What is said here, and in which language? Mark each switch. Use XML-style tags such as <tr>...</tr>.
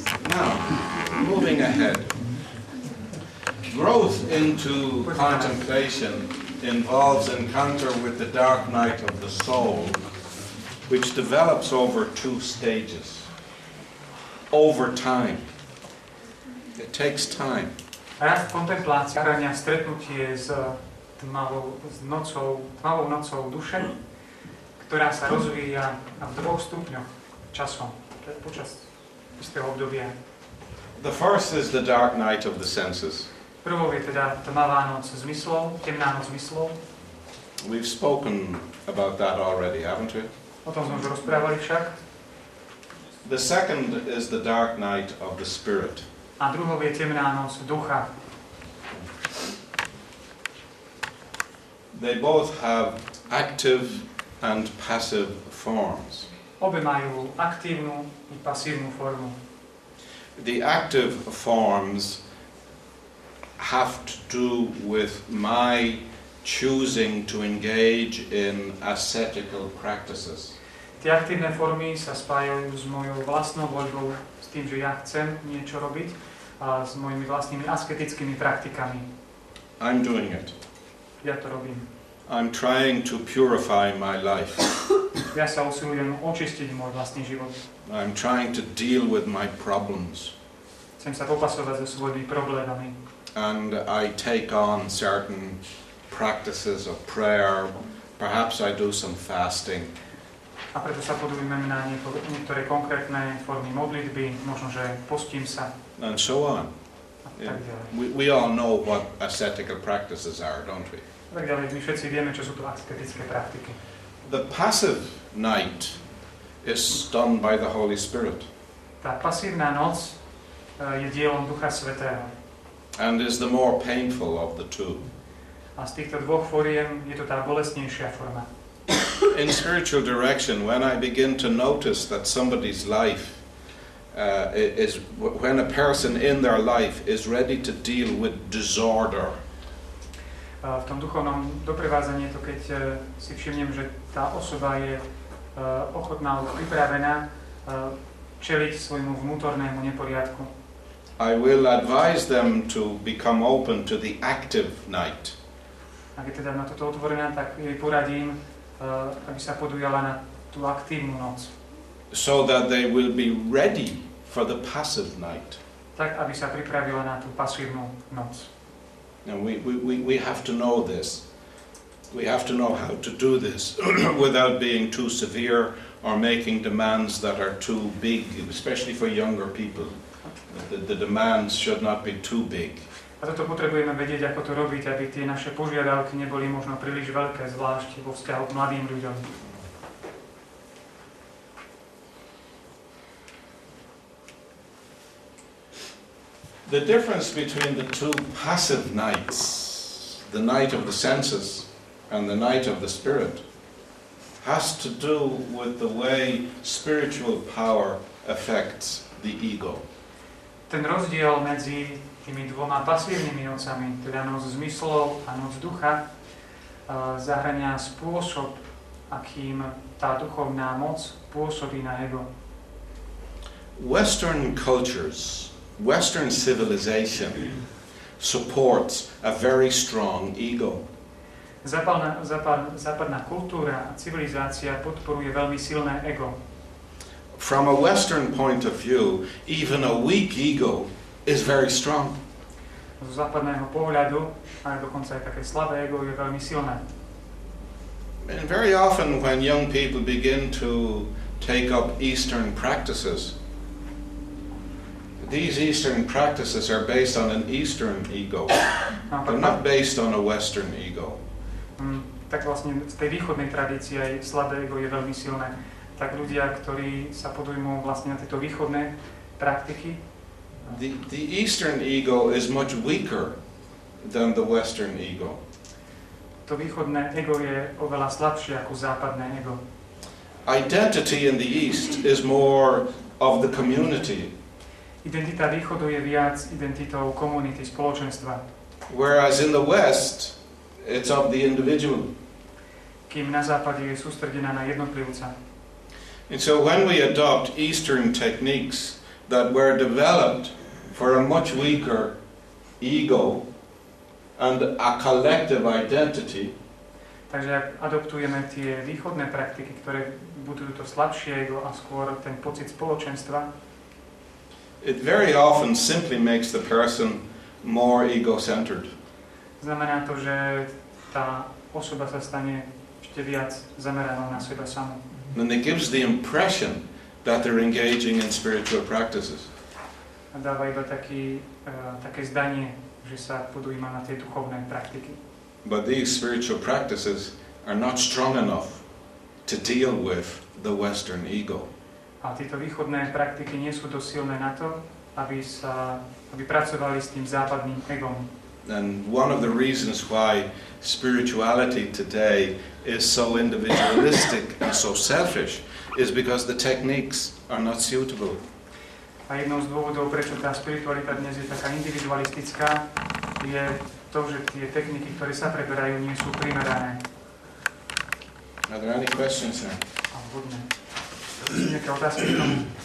<en>Now, moving ahead, growth into contemplation involves encounter with the dark night of the soul, which develops over two stages, over time. It takes time.</en> <sk>Rast kontemplácie chráňa stretnutie s tmavou nocou duše, ktorá sa rozvíja v dvoch stupňoch časom. Počas istého obdobia.</sk> <en>The first is the dark night of the senses.</en> <sk>Prvou je teda tmavá noc zmyslov, temná noc zmyslov.</sk> <en>We've spoken about that already, haven't we?</en> <sk>O tom sme už rozprávali však.</sk> <en>The second is the dark night of the spirit.</en> <sk>A druhou je temná noc ducha.</sk> <en>They both have active and passive forms.</en> <sk>Obe majú aktívnu i pasívnu formu.</sk> <en>The active forms have to do with my choosing to engage in ascetical practices.</en> <sk>Tie aktívne formy sa spájajú s mojou vlastnou voľbou, s tým, že ja chcem niečo robiť, a s mojimi vlastnými asketickými praktikami.</sk> <en>I'm doing it.</en> <sk>Ja to robím.</sk> <en>I'm trying to purify my life.</en> <sk>Ja sa usilujem očistiť môj vlastný život.</sk> <en>I'm trying to deal with my problems.</en> <sk>Chcem sa popasovať so svojimi problémami.</sk> <en>And I take on certain practices of prayer. Perhaps I do some fasting.</en> <sk>A preto sa podujmem na niektoré konkrétne formy modlitby, možno že postím sa.</sk> <en>And so on. We all know what ascetical practices are, don't we?</en> <sk>Tak ďalej, my všetci vieme, čo sú to asketické praktiky.</sk> <en>The passive night is done by the Holy Spirit.</en> <sk>Tá pasívna noc je dielom Ducha Svätého.</sk> <en>And is the more painful of the two.</en> <sk>A z týchto dvoch foriem je to tá bolestnejšia forma.</sk> <en>In spiritual direction, when I begin to notice that somebody's life is, when a person in their life is ready to deal with disorder.</en> <sk>V tom duchovnom doprevádzaní je to, keď si všimnem, že tá osoba je ochotná alebo pripravená čeliť svojmu vnútornému neporiadku.</sk> <en>I will advise them to become open to the active night.</en> <sk>A keď teda na toto otvorená, tak jej poradím, aby sa podujala na tú aktívnu noc.</sk> <en>So that they will be ready for the passive night.</en> <sk>tak aby sa pripravila na tú pasívnu noc.</sk> <en>Now we have to know this. We have to know how to do this without being too severe or making demands that are too big, especially for younger people. The demands should not be too big.</en> <sk>A toto potrebujeme vedieť, ako to robiť, aby tie naše požiadavky neboli možno príliš veľké, zvlášť vo vzťahu k mladým ľuďom.</sk> <en>The difference between the two passive nights, the night of the senses and the night of the spirit, has to do with the way spiritual power affects the ego.</en> <sk>Ten rozdiel medzi tými dvoma pasívnymi nocami, teda noc zmyslov a noc ducha, zahŕňa spôsob, akým tá duchovná moc pôsobí na ego.</sk> <en>Western cultures, Western civilization supports a very strong ego.</en> <sk>Západná kultúra a civilizácia podporuje veľmi silné ego.</sk> <en>From a Western point of view, even a weak ego is very strong.</en> <sk>Z západného pohľadu, aj dokonca aj také slabé ego je veľmi silné.</sk> <en>And very often when young people begin to take up Eastern practices, these Eastern practices are based on an Eastern ego. They're not based on a Western ego.</en> <sk>Tak vlastne v tej východnej tradícii aj slabé ego je veľmi silné. Tak ľudia, ktorí sa podujmú vlastne na tieto východné praktiky.</sk> <en>The Eastern ego is much weaker than the Western ego.</en> <sk>To východné ego je oveľa slabšie ako západné ego.</sk> <en>Identity in the East is more of the community.</en> <sk>Identita východu je viac identitou komunity, spoločenstva.</sk> <en>Whereas in the West, it's of the individual.</en> <sk>Kým na západe je sústredená na jednotlivca.</sk> <en>And so when we adopt Eastern techniques that were developed for a much weaker ego and a collective identity,</en> <sk>takže adoptujeme tie východné praktiky, ktoré budú to slabšie ego a skôr ten pocit spoločenstva,</sk> <en>it very often simply makes the person more ego-centered.</en> <sk>Znamená to, že tá osoba sa stane ešte viac zameraná na seba samú.</sk> <en>And it gives the impression that they're engaging in spiritual practices.</en> <sk>A dáva iba také zdanie, že sa podujíma na tie duchovné praktiky.</sk> <en>But these spiritual practices are not strong enough to deal with the Western ego.</en> <sk>A tieto východné praktiky nie sú dosť silné na to, aby pracovali s tým západným egom.</sk> <en>And one of the reasons why spirituality today is so individualistic and so selfish is because the techniques are not suitable.</en> <sk>A jednou z dôvodov, prečo tá spiritualita dnes je taká individualistická, je to, že tie techniky, ktoré sa preberajú, nie sú primerané.</sk> <en>Are there any questions, sir?</en> <sk>Vhodné. Nejaké otázky k tomu?</sk>